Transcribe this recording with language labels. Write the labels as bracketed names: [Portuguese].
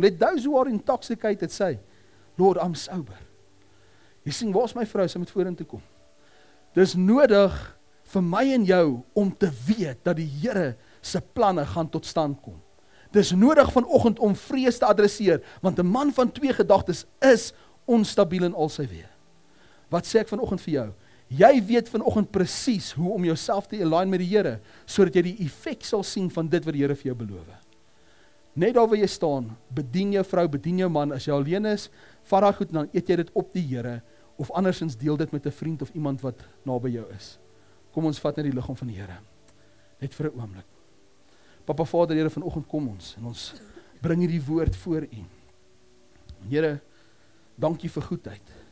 [English] Let those who are intoxicated say, Lord, I'm sober. [Afrikaans] Jy sien, waar is my vrou, sy moet voorin te kom. Dis nodig vir my en jou om te weet dat die Here se planne gaan tot stand kom. Dis nodig vanochtend om vrees te adresseer, want 'n man van twee gedagtes is onstabiel in al sy weer. Wat sê ek vanochtend vir jou? Jy weet vanochtend precies hoe om jouself te align met die Here, sodat jy die effek sal sien van dit wat die Here vir jou beloof. Net daar waar jy staan, bedien jou vrou, bedien jou man, as jy alleen is, vat haar goed, dan eet jy dit op die Here, of andersins deel dit met 'n vriend of iemand wat naby jou is. Kom ons vat net die liggaam van die Here, net vir 'n oomblik. Papa Vader, Here, vanoggend kom ons, en ons bring hierdie woord voor U. Here, dankie vir goedheid.